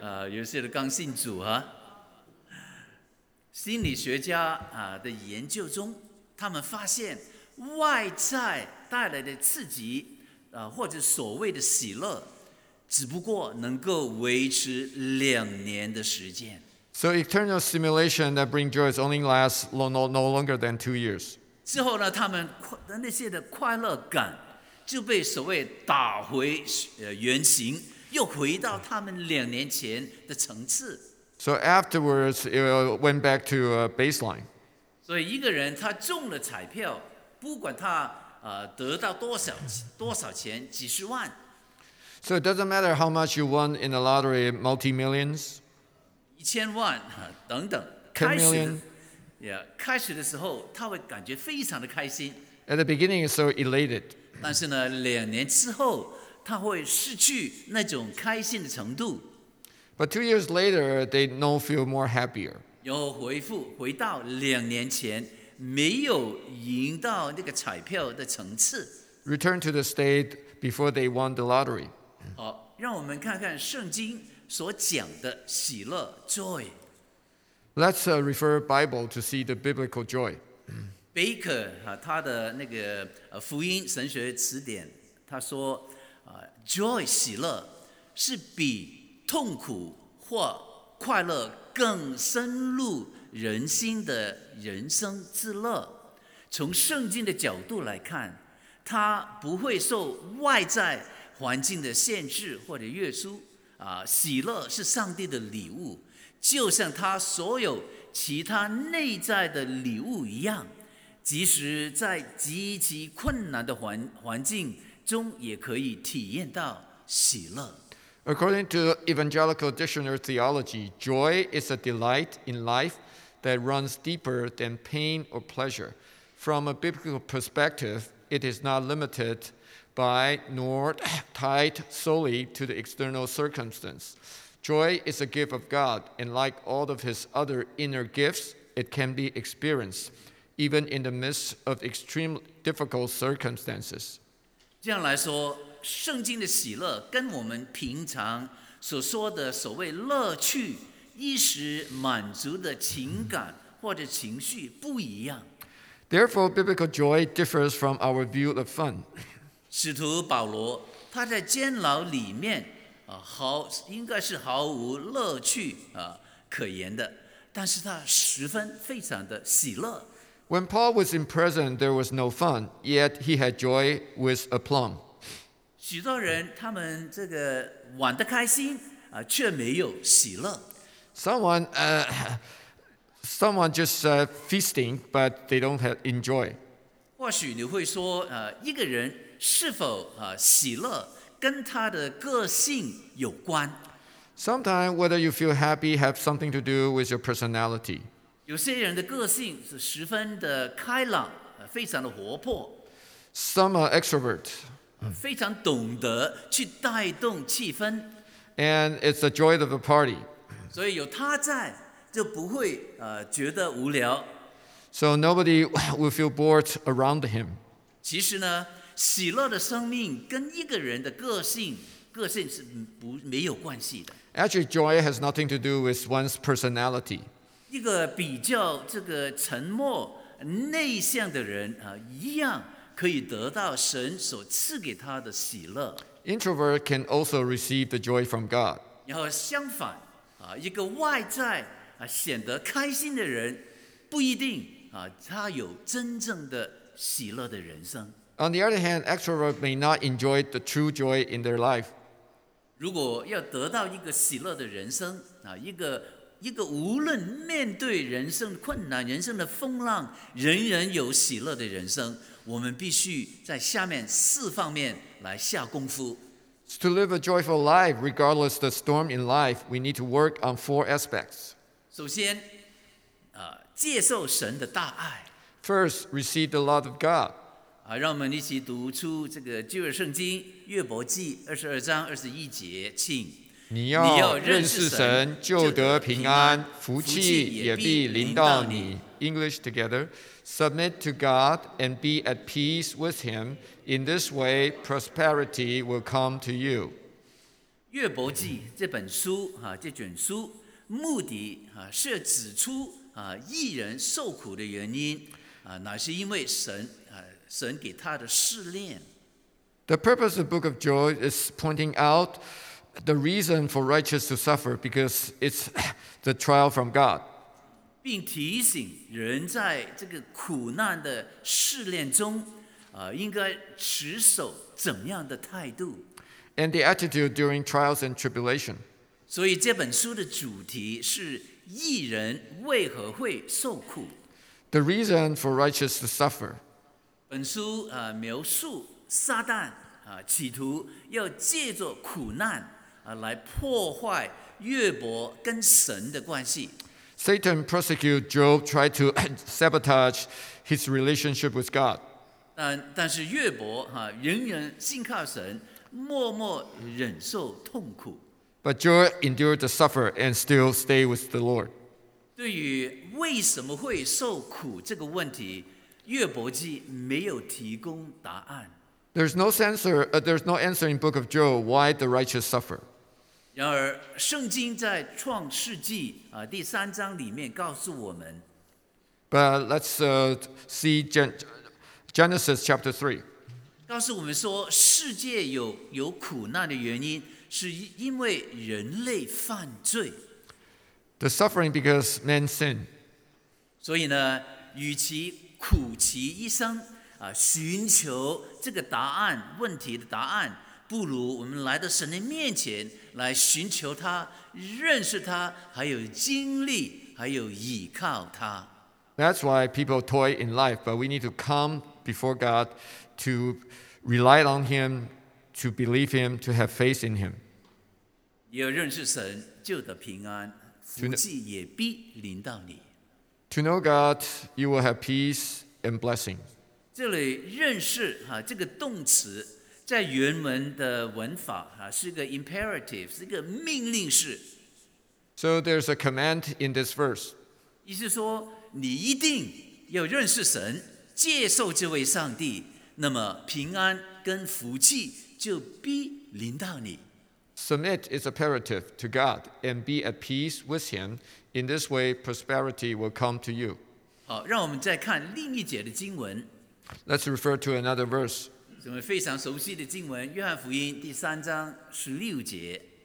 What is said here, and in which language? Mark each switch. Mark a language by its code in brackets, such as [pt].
[zh] 有些人刚信主啊。心理学家的研究中，他们发现外在带来的刺激或者所谓的喜乐只不过能够维持2年的时间。 [en] So external stimulation that brings joy is only lasts no longer than 2 years. [zh] 之后呢，他们那些的快乐感就被所谓打回原形，又回到他们2年前的层次。 [en] So afterwards, it went back to a baseline. [zh] 所以一个人他中了彩票，不管他得到多少钱，几十万。 [en] So it doesn't matter how much you won in the lottery, multi-millions. [zh] 1,000,000, 等等。 [en] 10 million. [zh] 开始的时候他会感觉非常的开心。 [en] At the beginning, he's so elated. [zh] 但是呢，2年之后他会失去那种开心的程度。 [en] But 2 years later, they don't feel more happier. [zh] 又回到2年前没有赢到那个彩票的层次。 [en] Return to the state before they won the lottery. [zh] 好，让我们看看圣经所讲的喜乐 joy。 [en] Let's refer Bible to see the biblical joy. [zh] Baker 他的那个福音神学词典，他说joy 喜乐是比痛苦或快乐更深入人心的人生之乐。从圣经的角度来看，他不会受外在环境的限制或者约束喜乐是上帝的礼物，就像他所有其他内在的礼物一样，即使在极其困难的环境中也可以体验到喜乐。 [en] According to evangelical dictionary theology, joy is a delight in life that runs deeper than pain or pleasure. From a biblical perspective, it is not limitedby nor tied solely to the external circumstance. Joy is a gift of God, and like all of his other inner gifts, it can be experienced, even in the midst of extreme difficult circumstances. [zh] 这样来说，圣经的喜乐跟我们平常所说的所谓乐趣、一时满足的情感或者情绪不一样。 [en] Therefore, biblical joy differs from our view of fun. [zh] 使徒保罗他在监牢里面应该是毫无乐趣可言的，但是他十分非常的喜乐。 [en] When Paul was in prison, there was no fun, yet he had joy with aplomb. [zh] 许多人他们这个玩得开心却没有喜乐。 [en] Someone just feasting, but they don't have enjoy. [zh] 或许你会说一个人是否喜乐跟他的个性有关。 [en] Sometimes whether you feel happy have something to do with your personality. [zh] 有些人的个性是十分的开朗，非常的活泼。 [en] Some are extrovert. [zh] 非常懂得去带动气氛。 [en] And it's the joy of the party. [zh] 所以有他在就不会觉得无聊。 [en] So nobody will feel bored around him. [zh] 其实呢，喜乐的生命跟一个人的个性，个性是不没有关系的。 [en] Actually, joy has nothing to do with one's personality. [zh] 一个比较这个沉默内向的人一样可以得到神所赐给他的喜乐。 [en] Introvert can also receive the joy from God. [zh] 然后相反一个外在显得开心的人不一定他有真正的喜乐的人生。 [en] On the other hand, extrovert may not enjoy the true joy in their life. [zh] 如果要得到一个喜乐的人生一个无论面对人生困难人生的风浪人人有喜乐的人生我们必须在下面四方面来下功夫。 [en] To live a joyful life, regardless of the storm in life, we need to work on four aspects. [zh] 首先接受神的大爱。 [en] First, receive the love of God. [zh] 让我们一起读出这个旧约圣经约伯记二十二章二十一节请。你要认识神就得平安福气也必临到你。 [en] English together, submit to God and be at peace with him. In this way, prosperity will come to you. [zh] 约伯记这本书这卷书目的是指出义人受苦的原因乃是因为神给他的试炼。 [en] The purpose of the Book of Joy is pointing out the reason for righteous to suffer because it's the trial from God. [zh] 并提醒人在这个苦难的试炼中应该持守怎样的态度。 [en] And the attitude during trials and tribulation. [zh] 所以这本书的主题是义人为何会受苦。 [en] The reason for righteous to suffer. [zh] 本书描述撒旦企图要借着苦难来破坏约伯跟神的关系。 [en] Satan persecuted Job, tried to sabotage his relationship with God. [zh] 但是约伯仍然信靠神，默默忍受痛苦。 [en] But Job endured the suffer and still stayed with the Lord. [zh] 对于为什么会受苦这个问题，约伯记没有提供答案。 [en] There's no answer in Book of Job why the righteous suffer. [zh] 然而圣经在创世纪第三章里面告诉我们 [en] But let's see Genesis chapter 3 [zh] 告诉我们说世界 有苦难的原因是因为人类犯罪 [en] The suffering because men sin [zh] 所以呢与其苦其一生寻求这个答案问题的答案不如我们来到神的面前来寻求他认识他还有经历还有依靠他 [en] That's why people toy in life but we need to come before God to rely on him to believe him to have faith in him [zh] 要认识神就得平安福气也必临到你 [en] To know God you will have peace and blessing [zh] 这里认识这个动词在原文的文法是一个 imperative 是一个命令式 [en] So there's a command in this verse [zh] 意思说你一定要认识神接受这位上帝那么平安跟福气就必临到你 [en] Submit is imperative to God and be at peace with him In this way prosperity will come to you [zh] 好让我们再看另一节的经文 [en] Let's refer to another verse [zh] 我们非常熟悉的经文，约翰福音第三章十六节。